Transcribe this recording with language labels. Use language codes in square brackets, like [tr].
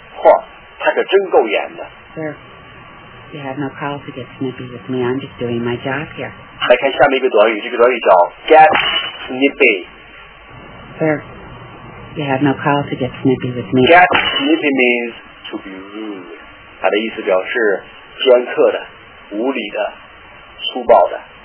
[zh] 这句话的意思是我们的教练在每次训练前让我们每一个队员跑10公里。哇，他可真够严的。 [en] Sir, you have no call to get snippy with me. I'm just doing my job here. [zh] 来看下面一个短语，这个短语叫 [en] get snippy. Sir, you have no call to get snippy with me. Get snippy means to be rude. [zh] 它的意思表示尖刻的、无理的、粗暴的。